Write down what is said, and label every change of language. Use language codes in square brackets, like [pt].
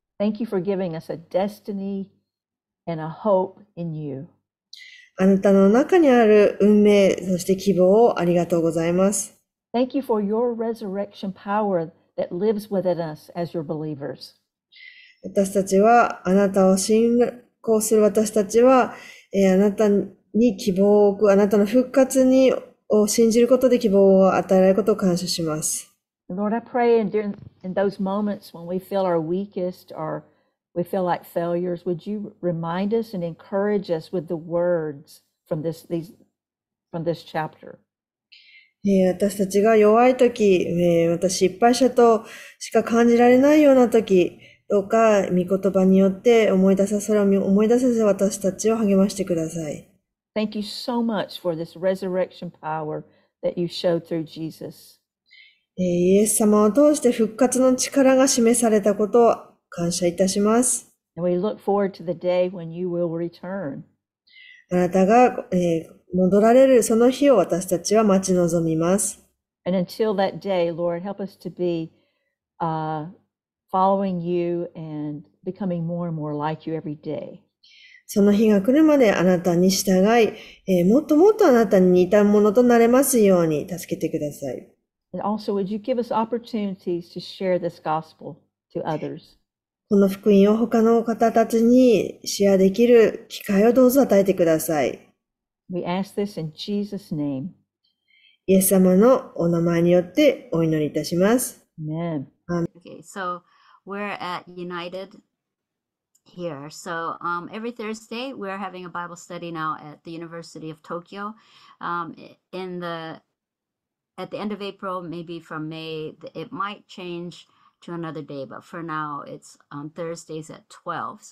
[en] Thank you for giving us a destiny and a hope in you. [ja] あなたの中にある運命、そして希望をありがとうございます。 [en] Thank you for your resurrection power that lives within us as your believers. [ja] 私たちは、あなたを信仰する私たちは、あなたに希望を置く、あなたの復活にを信じることで希望を与えられることを感謝します。 [en] Lord, I pray in those moments when we feel our weakest or we feel like failures, would you remind us and encourage us with the words from this chapter? [ja] 私たちが弱い時、私失敗者としか感じられないような時、どうか御言葉によって思い出さ、それを思い出させ私たちを励ましてください。 [en] Thank you so much for this resurrection power that you showed through Jesus. [ja] イエス様を通して復活の力が示されたことを感謝いたします。 [en] And we look forward to the day when you will return. [ja] あなたが、戻られるその日を私たちは待ち望みます。 [en] And until that day, Lord, help us to be, following you and becoming more and more like you every day. [ja] その日が来るまであなたに従い、もっともっとあなたに似たものとなれますように助けてください。 [en] And also, would you give us opportunities to share this gospel to others? [ja] この福音を他の方たちにシェアできる機会をどうぞ与えてください。 [en] We ask this in Jesus' name. [ja] イエス様のお名前によってお祈りいたします。 [en] Amen. Okay, so we're at United here. So, every Thursday, we're having a Bible study now at the University of Tokyo. At the end of April, maybe from May, it might change. To another day, but for now it's on Thursdays at 12.